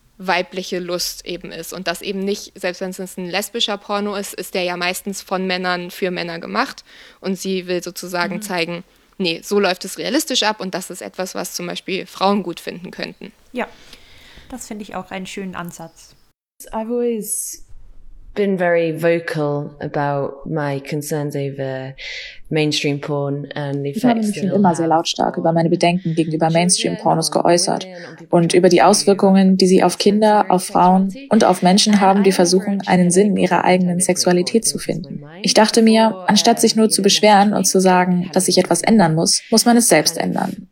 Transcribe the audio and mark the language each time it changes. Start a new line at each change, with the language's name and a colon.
German: weibliche Lust eben ist. Und das eben nicht, selbst wenn es ein lesbischer Porno ist, ist der ja meistens von Männern für Männer gemacht. Und sie will sozusagen zeigen, nee, so läuft es realistisch ab und das ist etwas, was zum Beispiel Frauen gut finden könnten. Ja, das finde ich auch einen schönen Ansatz.
English: I've always been very vocal about my concerns over mainstream porn and the effects.
German: Ich habe mich immer sehr lautstark über meine Bedenken gegenüber Mainstream-Pornos geäußert und über die Auswirkungen, die sie auf Kinder, auf Frauen und auf Menschen haben, die versuchen, einen Sinn in ihrer eigenen Sexualität zu finden. Ich dachte mir, anstatt sich nur zu beschweren und zu sagen, dass sich etwas ändern muss, muss man es selbst ändern.